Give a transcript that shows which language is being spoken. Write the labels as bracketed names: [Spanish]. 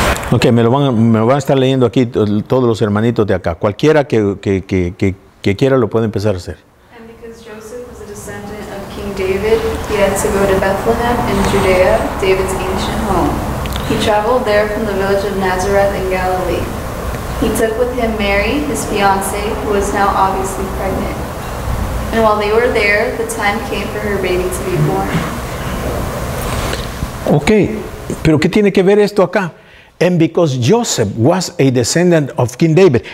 [Spanish] Ok, me lo van a estar leyendo aquí todos los hermanitos de acá. Cualquiera que quiera lo puede empezar a hacer. [English] And because Joseph was a descendant of King David, he had to go to Bethlehem in Judea, David's ancient home. He traveled there from the village of Nazareth in Galilee. He took with him Mary, his fiancée, who was now obviously pregnant. And while they were there, the time came for her baby to be born. [Spanish] Ok, pero ¿qué tiene que ver esto acá? [English] And because Joseph was a descendant of King David.